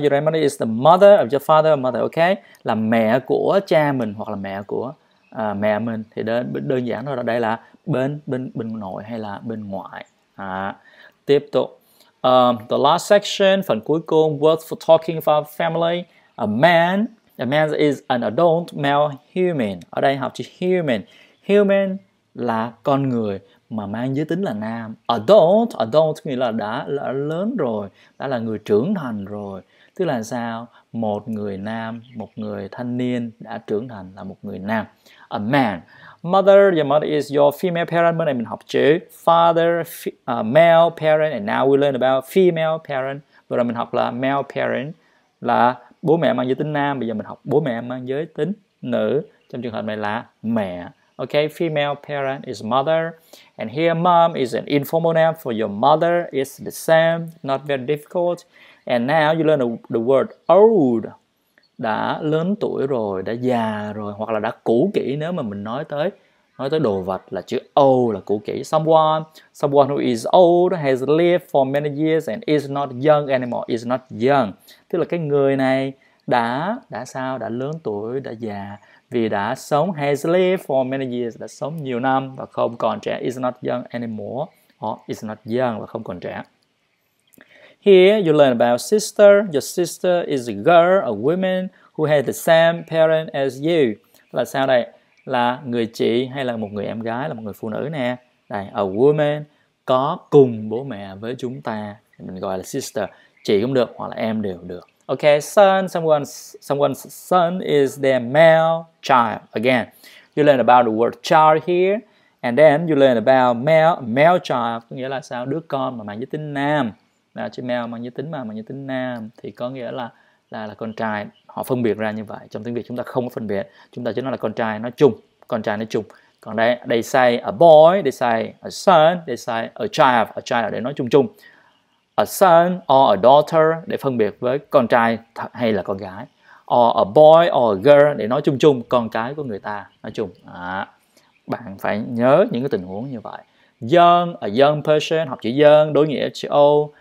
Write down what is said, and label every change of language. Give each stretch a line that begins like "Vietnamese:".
English: Your grandmother is the mother of your father or mother, okay.
Vietnamese: Là mẹ của cha mình hoặc là mẹ của mẹ mình, thì đơn giản thôi, đây là bên nội hay là bên ngoại. Tiếp tục.
English: The last section,
Vietnamese: phần cuối cùng,
English: words for talking about family. A man is an adult male human.
Vietnamese: Ở đây học chữ human. Human là con người mà mang giới tính là nam. Adult nghĩa là đã lớn rồi, đã là người trưởng thành rồi. Tức là sao? Một người nam, một người thanh niên đã trưởng thành là một người nam.
English: A man. Mother, your mother is your female parent.
Vietnamese: Bên này mình học chữ
English: father, male parent. And now we learn about female parent.
Vietnamese: Vừa rồi mình học là male parent, là bố mẹ mang giới tính nam. Bây giờ mình học bố mẹ mang giới tính nữ. Trong trường hợp này là mẹ.
English: Okay, female parent is mother. And here mom is an informal name for your mother. It's the same, not very difficult. And now you learn the word old.
Vietnamese: Đã lớn tuổi rồi, đã già rồi, hoặc là đã cũ kỹ nếu mà mình nói tới đồ vật, là chữ old là cũ kỹ.
English: Someone who is old has lived for many years and is not young anymore, is not young.
Vietnamese: Tức là cái người này đã lớn tuổi, đã già, vì đã sống,
English: has lived for many years,
Vietnamese: đã sống nhiều năm và không còn trẻ,
English: is not young anymore, or is not young,
Vietnamese: và không còn trẻ.
English: Here you learn about sister. Your sister is a girl, a woman who has the same parent as you.
Vietnamese: Là sao đây? Là người chị hay là một người em gái, là một người phụ nữ nè. Đây, a woman có cùng bố mẹ với chúng ta. Mình gọi là sister. Chị cũng được hoặc là em đều được.
English: Okay, son. Someone's son is their male child. Again, you learn about the word child here. And then you learn about male child.
Vietnamese: Có nghĩa là sao? Đứa con mà mang giới tính nam. Chữ male mang giới tính nam thì có nghĩa là con trai. Họ phân biệt ra như vậy. Trong tiếng Việt chúng ta không có phân biệt. Chúng ta chỉ nói là con trai nói chung. Con trai nói chung. Còn đây,
English: they say a boy, they say a son, they say a child.
Vietnamese: A child là để nói chung chung.
English: A son or a daughter
Vietnamese: để phân biệt với con trai hay là con gái.
English: Or a boy or a girl
Vietnamese: để nói chung chung con cái của người ta. Nói chung. Bạn phải nhớ những cái tình huống như vậy.
English: Young, a young person,
Vietnamese: học chữ young, đối nghĩa chữ old.